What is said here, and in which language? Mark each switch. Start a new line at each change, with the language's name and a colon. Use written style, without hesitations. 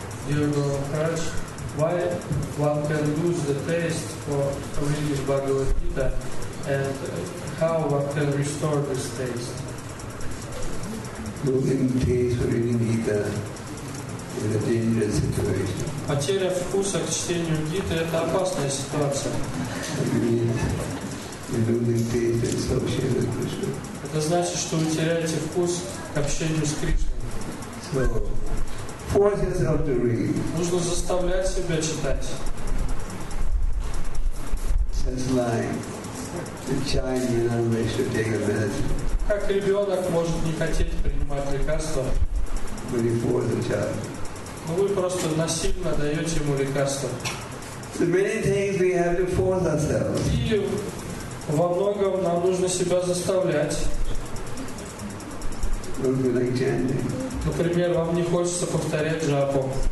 Russian: Дорогой
English: Гуру Махарадж, why one can lose the taste for reading Bhagavad-gita? And how one can restore this taste? Losing taste for reading Gita is a dangerous situation.
Russian: Потеря вкуса к чтению Гиты – это опасная ситуация.
English: It means you're losing taste associated with Krishna.
Russian: Это значит, что вы теряете вкус к общению с Кришной.
English: So, force yourself to read.
Russian: Нужно заставлять себя читать.
English: It's like the child you know they should take a medicine.
Russian: Как ребенок может не хотеть принимать лекарства?
English: But you force the child.
Russian: Но вы просто насильно даете ему лекарства.
English: The many things we have to force ourselves.
Russian: И во многом нам нужно себя заставлять. Например, вам не хочется повторять джапу.